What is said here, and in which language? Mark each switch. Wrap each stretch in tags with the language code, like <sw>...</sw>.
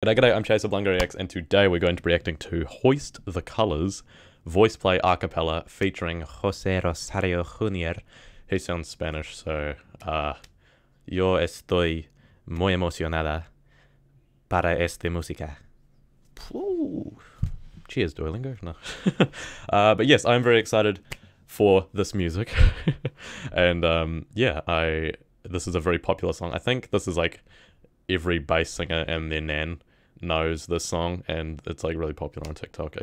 <en>But g'day, I'm Chase of LungaryX, and today we're going to be reacting to Hoist the Colors Voiceplay Acapella featuring Jose Rosario Jr. He sounds Spanish, so</en> <es>yo estoy muy emocionada para esta música.</es> <en>Cheers, Duolingo. No. but yes, I'm very excited for this music. And this is a very popular song. I think this is like every bass singer and their nan knows this song, and it's like really popular on TikTok.</en>